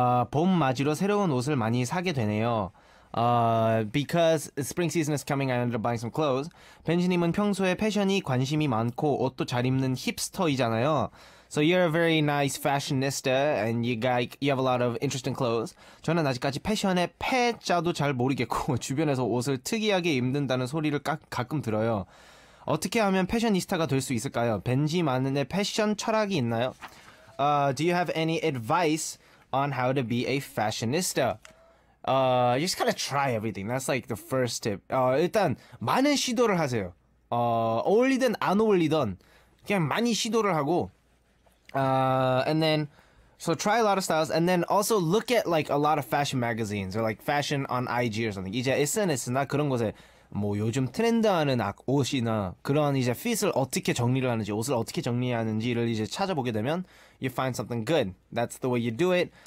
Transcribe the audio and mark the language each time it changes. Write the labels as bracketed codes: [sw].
[ko] 봄 맞이로 새로운 옷을 많이 사게 되네요. [en] Because spring season is coming, I ended up buying some clothes. [ko] 벤지님은 평소에 패션이 관심이 많고 옷도 잘 입는 힙스터이잖아요. [en] So you're a very nice fashionista, and you have a lot of interesting clothes. [ko] 저는 아직까지 패션의 패자도 잘 모르겠고 주변에서 옷을 특이하게 입는다는 소리를 가끔 들어요. 어떻게 하면 패셔니스타가 될 수 있을까요? 벤지만의 패션 철학이 있나요? [en] Do you have any advice on how to be a fashionista? You just gotta try everything. That's like the first tip. [ko] 일단 많은 시도를 하세요. 어울리든 안 어울리든 그냥 많이 시도를 하고. [en] And then, so try a lot of styles, and then also look at like a lot of fashion magazines or like fashion on IG or something. [ko] 이제 SNS나 그런 곳에 뭐 요즘 트렌드하는 옷이나 그런 이제 핏을 어떻게 정리를 하는지 옷을 어떻게 정리하는지를 이제 찾아보게 되면 [en] you find something good. That's the way you do it.